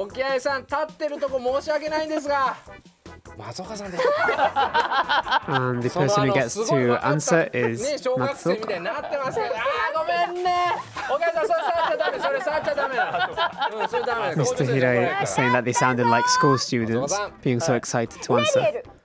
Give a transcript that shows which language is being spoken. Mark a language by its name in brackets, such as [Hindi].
[Japanese] おきあいさん、立ってるとこ申し訳ないんですが、松岡さんです。 [English] And the person who gets to answer is [Japanese] 松岡。小学生みたいになってますけど、あー、ごめんね。おきあいさん、それ触っちゃダメ、それ触っちゃダメ。うん、それダメ。 [English] Mr. Hirai is saying that they sounded like school students, being so excited to answer.